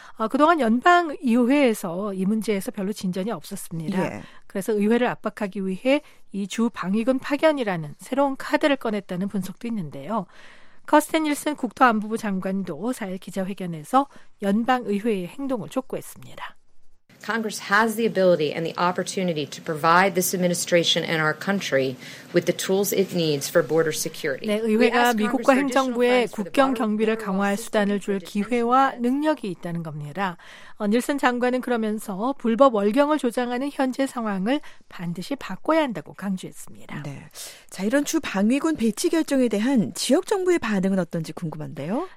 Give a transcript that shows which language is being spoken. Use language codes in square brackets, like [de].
[ko] 그동안 연방의회에서 이 문제에서 별로 진전이 없었습니다. 예. 그래서 의회를 압박하기 위해 이 주 방위군 파견이라는 새로운 카드를 꺼냈다는 분석도 있는데요. 커스틴 닐슨 국토안보부 장관도 4일 기자회견에서 연방의회의 행동을 촉구했습니다. [en] Congress has the ability and the opportunity to provide this administration and our country with the tools it needs for border security. [ko] 네, 의회가 미국과 행정부에 국경 경비를 강화할 수단을 줄 기회와 능력이 있다는 겁니다. 닐슨 장관은 그러면서 불법 월경을 조장하는 현재 상황을 반드시 바꿔야 한다고 강조했습니다. 네. 자, 이런 주 방위군 배치 결정에 대한 지역 정부의 반응은 어떤지 궁금한데요.